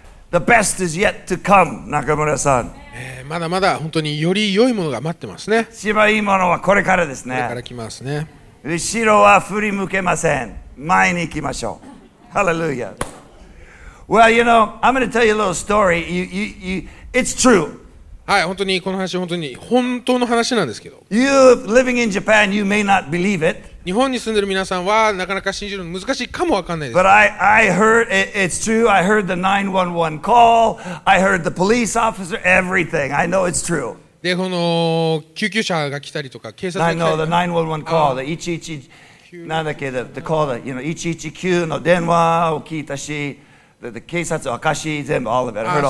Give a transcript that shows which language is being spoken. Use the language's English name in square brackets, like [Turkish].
[English] The best is yet to come, Nakamura-san. [Japanese] まだまだ本当により良いものが待ってますね。一番いいものはこれからですね。これから来ますね。後ろは振り向けません。前に行きましょう。Hallelujah. [English] Well, you know, I'm going to tell you a little story. It's true. [Japanese] はい、本当にこの話本当に本当の話なんですけど。 [English] You living in Japan, you may not believe it. [Japanese] 日本に住んでる皆さんはなかなか信じるの難しいかもわかんないです。 [English] But I heard it's true. I heard the 911 call. I heard the police officer. Everything. I know it's true. [Japanese] で、この救急車が来たりとか警察が来たりとか。 [English] I know the 911 call. The 111. [Japanese] なんだっけ、 [English] the call that, you know, [Japanese] 119の電話を聞いたし、 [English] the [Japanese] 警察の証し全部、 [English] all of it.